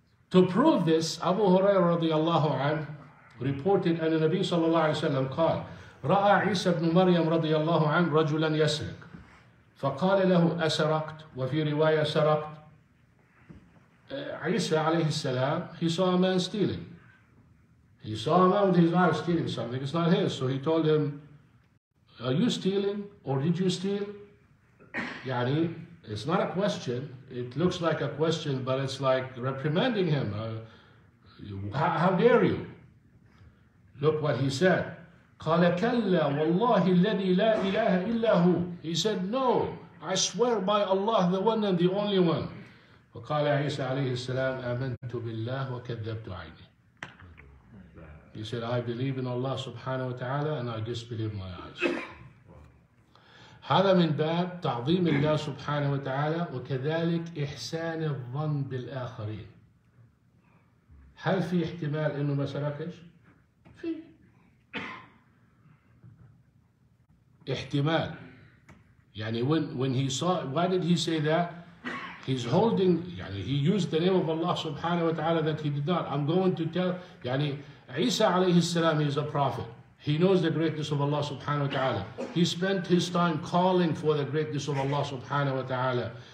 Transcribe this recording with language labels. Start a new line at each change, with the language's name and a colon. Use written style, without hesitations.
English: To prove this, Abu Hurairah radiallahu anhu reported
Arabic: أن النبي صلى الله عليه وسلم قال رأى عيسى بن مريم radiallahu anhu رجلا يسرق فقال له أسرقت وفي رواية سرقت.
English: عيسى عليه السلام, he saw a man stealing. He saw a man with his eyes stealing something, it's not his. So he told him, are you stealing or did you steal? يعني it's not a question. It looks like a question, but it's like reprimanding him. How dare you? Look what he said.
Arabic: قَالَ كَلَّا وَاللَّهِ الَّذِي لَا إِلَهَ إِلَّا هُ.
English: He said, no, I swear by Allah, the one and the only one.
Arabic: وَقَالَ عِيسَى عَلَيْهِ السَّلَامِ أَمَنْتُ بِاللَّهِ وَكَذَّبْتُ عَيْنِي.
English: He said, I believe in Allah subhanahu wa ta'ala and I disbelieve my eyes.
Arabic: هذا من باب تعظيم الله سبحانه وتعالى وكذلك إحسان الظن بالآخرين. هل في احتمال إنه ما سرقش؟ في احتمال.
English: يعني when he saw, why did he say that? He's holding, يعني he used the name of Allah سبحانه وتعالى that he did not. I'm going to tell, يعني عيسى عليه السلام is a prophet. He knows the greatness of Allah subhanahu wa ta'ala. He spent his time calling for the greatness of Allah subhanahu wa ta'ala.